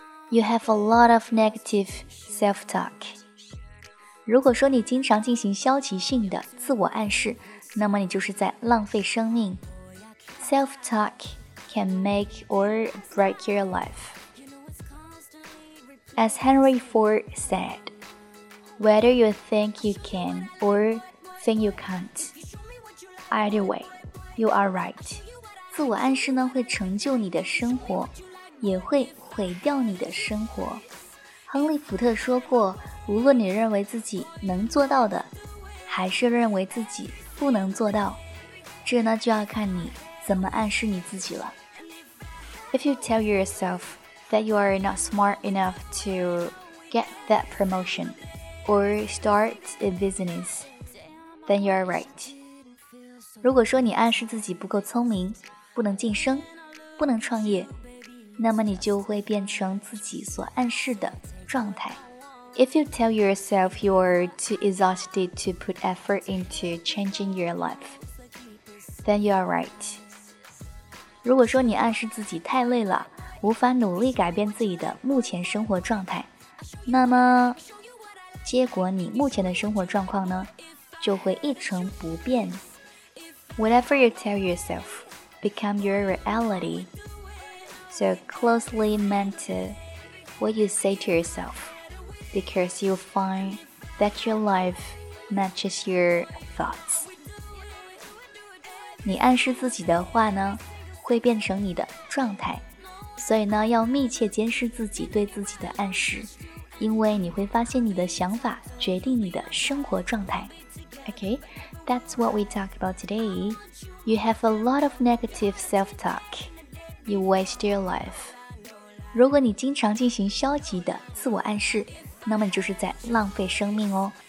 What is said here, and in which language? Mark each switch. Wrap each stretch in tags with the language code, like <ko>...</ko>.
<en>You have a lot of negative self-talk.</en> <zh>如果说你经常进行消极性的自我暗示，那么你就是在浪费生命。</zh> <en>Self-talk can make or break your life. As Henry Ford said, whether you think you can or think you can't,Either way, you are right.</en> <zh>自我暗示呢会成就你的生活，也会毁掉你的生活。亨利·福特说过，无论你认为自己能做到的，还是认为自己不能做到，这呢就要看你怎么暗示你自己了。</zh> <en>If you tell yourself that you are not smart enough to get that promotion or start a business, then you are right.</en> <zh>如果说你暗示自己不够聪明，不能晋升，不能创业，那么你就会变成自己所暗示的状态。</zh> <en>If you tell yourself you are too exhausted to put effort into changing your life, then you are right.</en> <zh>如果说你暗示自己太累了，无法努力改变自己的目前生活状态，那么结果你目前的生活状况呢，就会一成不变。</zh> <en>Whatever you tell yourself, become your reality. So closely mentor what you say to yourself, because you'll find that your life matches your thoughts.</en> <zh>你暗示自己的话呢，会变成你的状态。所以呢，要密切监视自己对自己的暗示，因为你会发现你的想法决定你的生活状态。</zh> <en>Okay? That's what we talked about today. You have a lot of negative self-talk. You waste your life.</en> <zh>如果你经常进行消极的自我暗示，那么你就是在浪费生命哦。</zh>